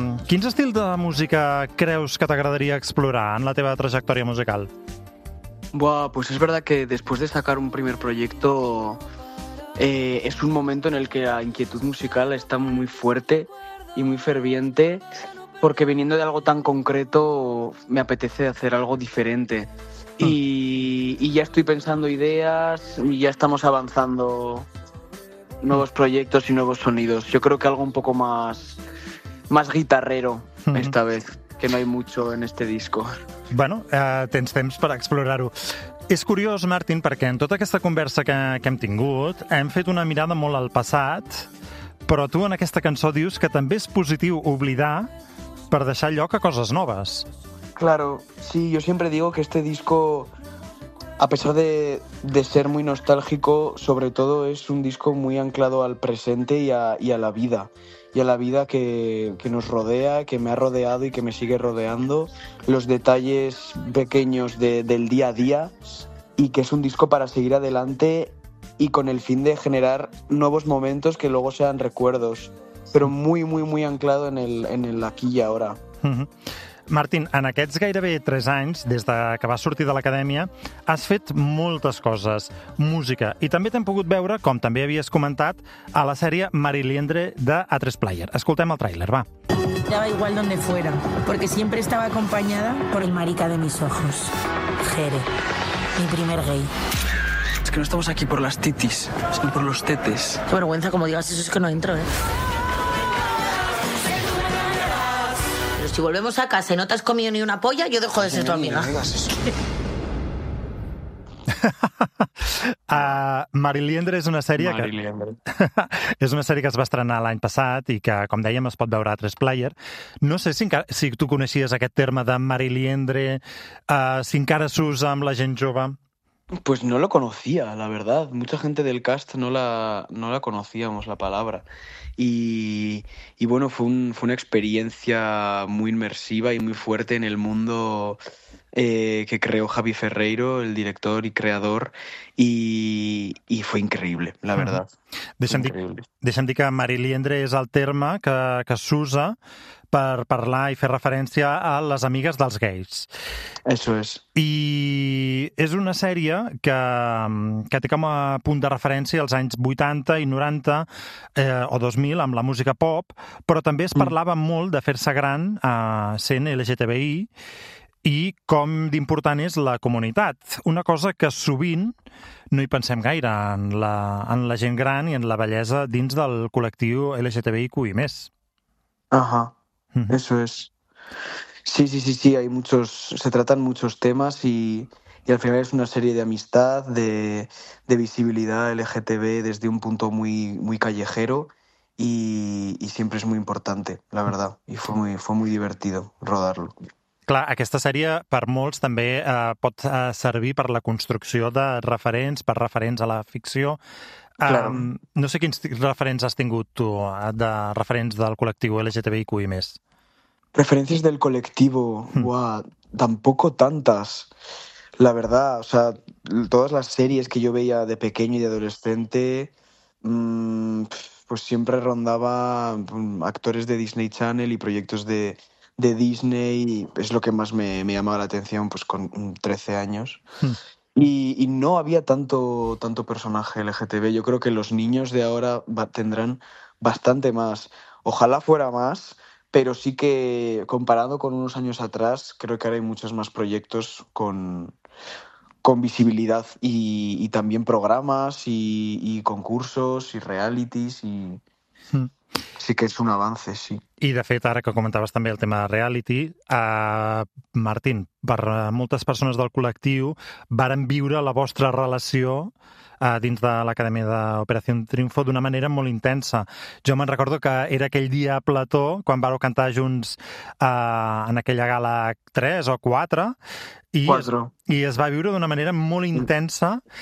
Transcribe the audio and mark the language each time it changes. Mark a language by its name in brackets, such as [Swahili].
[Catalan] Quins estils de música creus que t'agradaria explorar en la teva trajectòria musical? [Spanish] Buah, pues es verdad que después de sacar un primer proyecto es un momento en el que la inquietud musical está muy fuerte y muy ferviente, porque viniendo de algo tan concreto me apetece hacer algo diferente. Y ya estoy pensando ideas y ya estamos avanzando nuevos proyectos y nuevos sonidos. Yo creo que algo un poco más guitarrero esta vez, que no hay mucho en este disco. [Catalan] Bueno, tens temps per explorar-ho. És curiós, Martin, perquè en tota aquesta conversa que hem tingut, hem fet una mirada molt al passat, però tu en aquesta cançó dius que també és positiu oblidar per deixar lloc a coses noves. [Spanish] Claro, sí, yo siempre digo que este disco, a pesar de ser muy nostálgico, sobre todo es un disco muy anclado al presente y a la vida. Y a la vida que nos rodea, que me ha rodeado y que me sigue rodeando. Los detalles pequeños del día a día. Y que es un disco para seguir adelante y con el fin de generar nuevos momentos que luego sean recuerdos. Pero muy, muy, muy anclado en el aquí y ahora. Uh-huh. [Catalan] Martin, en aquests gairebé 3 anys, des de que vas sortir de l'acadèmia, has fet moltes coses, música, i també t'hem pogut veure, com també havies comentat, a la sèrie Marie-Liendre de A3Player. Escoltem el tràiler, va. [Spanish] Daba igual donde fuera, porque siempre estaba acompañada por el marica de mis ojos, Jere, mi primer gay. Es que no estamos aquí por las titis, sino por los tetes. Qué vergüenza, como digas eso, es que no entro, ¿eh? Si volvemos a casa y no te has comido ni una polla, yo dejo de ser tu amiga. [Catalan] Marie-Liendre és una sèrie que és una sèrie que es va estrenar l'any passat i que, com dèiem, es pot veure a 3Player. No sé si tu coneixies aquest terme de Marie-Liendre, si encara s'usa amb la gent jove. [Spanish] Pues no lo conocía, la verdad. Mucha gente del cast no la conocíamos, la palabra. Y bueno, fue una experiencia muy inmersiva y muy fuerte en el mundo que creó Javi Ferreiro, el director y creador, y fue increíble, la verdad. [Catalan] Deixa'm dir que Marie-Liendre és el terme que s'usa per parlar i fer referència a les amigues dels gais. [Spanish] Eso es. [Catalan] I és una sèrie que té com a punt de referència als anys 80 i 90 o 2000 amb la música pop, però també es parlava molt de fer-se gran sent LGTBI i com d'important és la comunitat. Una cosa que sovint no hi pensem gaire, en la gent gran i en la bellesa dins del col·lectiu LGTBIQ+. [Spanish] Ajá. Eso es. Sí, hay muchos, se tratan muchos temas y al final es una serie de amistad, de visibilidad LGTB desde un punto muy, muy callejero y siempre es muy importante, la verdad, y fue muy divertido rodarlo. [Catalan] Clar, aquesta sèrie per molts també pot servir per la construcció de referents, per referents a la ficció. [Spanish] Claro. [Catalan] No sé quins referents has tingut tu, de referents del col·lectiu LGTBIQ+. [Spanish] Referencias del colectivo, tampoco tantas, la verdad. O sea, todas las series que yo veía de pequeño y de adolescente, pues siempre rondaba actores de Disney Channel y proyectos de Disney, y es lo que más me llamaba la atención, pues con 13 años. Y no había tanto personaje LGTB. Yo creo que los niños de ahora tendrán bastante más. Ojalá fuera más. Pero sí que, comparado con unos años atrás, creo que ahora hay muchos más proyectos con visibilidad y también programas y concursos y realities y... [Catalan] Sí que és un avance, sí. I, de fet, ara que comentaves també el tema de reality, Martin, per moltes persones del col·lectiu varen viure la vostra relació dins de l'Acadèmia d'Operació Triunfo d'una manera molt intensa. Jo me'n recordo que era aquell dia a plató, quan vau cantar junts en aquella gala 3 o 4, i es va viure d'una manera molt intensa.